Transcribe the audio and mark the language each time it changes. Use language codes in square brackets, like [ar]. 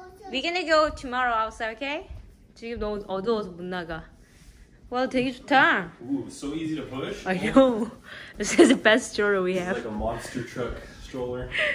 [en] We're gonna go tomorrow outside, okay? [ko] 지금 너무 어두워서 못 나가. Wow, 되게 좋다. [en] Ooh, so easy to push. I know. This is the best stroller we have. It's like a monster truck stroller.